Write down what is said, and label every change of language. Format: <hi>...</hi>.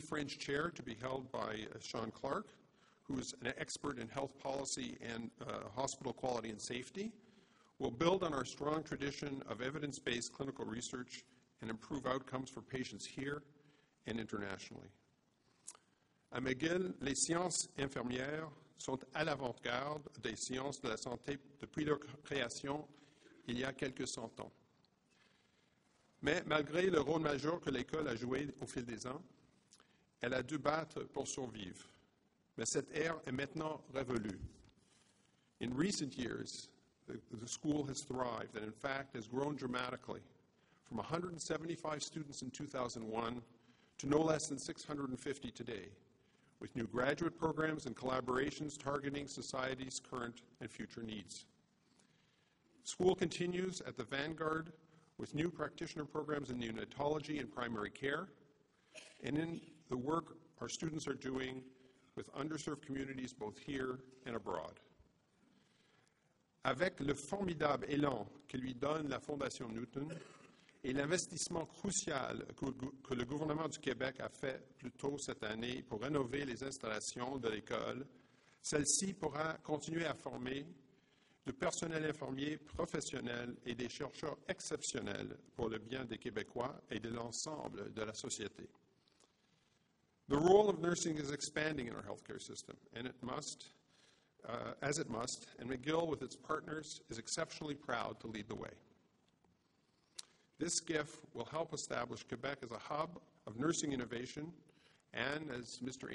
<en>French Chair, to be held by Sean Clark, who is an expert in health policy and hospital quality and safety, will build on our strong tradition of evidence-based clinical research and improve outcomes for patients here and internationally.</en> <fr>À McGill, les sciences infirmières sont à l'avant-garde des sciences de la santé depuis leur création il y a quelques cent ans. Mais malgré le rôle majeur que l'école a joué au fil des ans, elle a dû battre pour survivre. Mais cette ère est maintenant révolue.</fr> <en>In recent years, the school has thrived and, in fact, has grown dramatically from 175 students in 2001 to no less than 650 today, with new graduate programs and collaborations targeting society's current and future needs. School continues at the vanguard with new practitioner programs in neonatology and primary care, and in the work our students are doing with underserved communities both here and abroad.</en> <fr>Avec le formidable élan que lui donne la Fondation Newton et l'investissement crucial que le gouvernement du Québec a fait plus tôt cette année pour rénover les installations de l'école, celle-ci pourra continuer à former de personnel infirmier professionnel et des chercheurs exceptionnels pour le bien des Québécois et de l'ensemble de la société.</fr> <en>The role of nursing is expanding in our healthcare system, and it must, as it must, and McGill, with its partners, is exceptionally proud to lead the way. This gift will help establish Quebec as a hub of nursing innovation, and as Mr.</en>